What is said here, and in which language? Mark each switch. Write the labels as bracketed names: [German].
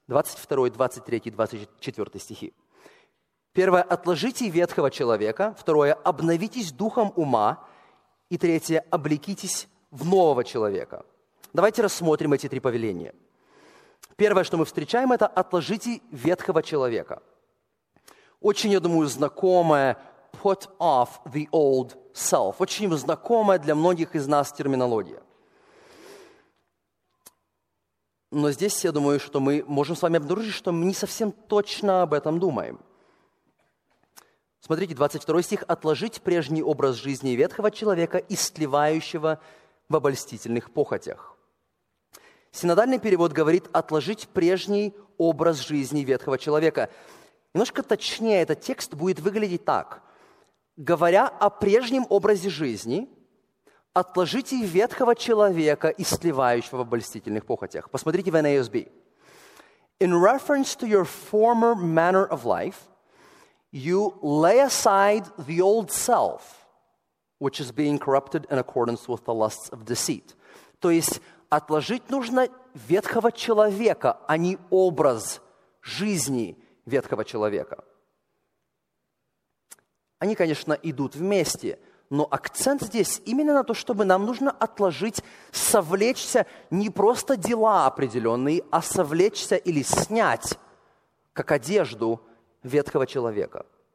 [Russian] 22, 23, 24 стихи. Первое – отложите ветхого человека. Второе – обновитесь духом ума. И третье – облекитесь в нового человека. Давайте рассмотрим эти три повеления. Первое, что мы встречаем, это отложите ветхого человека. Очень, я думаю, знакомое [English] «put off the old self». [Russian] Очень знакомая для многих из нас терминология. Но здесь, я думаю, что мы можем с вами обнаружить, что мы не совсем точно об этом думаем. Смотрите, 22 стих. «Отложить прежний образ жизни ветхого человека, истлевающего в обольстительных похотях». Синодальный перевод говорит «отложить прежний образ жизни ветхого человека». Немножко точнее этот текст будет выглядеть так. Говоря о прежнем образе жизни, отложите ветхого человека, истлевающего в обольстительных похотях. Посмотрите в NASB. [English] In reference to your former manner of life, you lay aside the old self, which is being corrupted in accordance with the lusts of deceit. [Russian] То есть отложить нужно ветхого человека, а не образ жизни ветхого человека. Они, конечно, идут вместе, но акцент здесь именно на то, чтобы нам нужно отложить, совлечься не просто дела определенные, а совлечься или снять, как одежду, ветхого человека.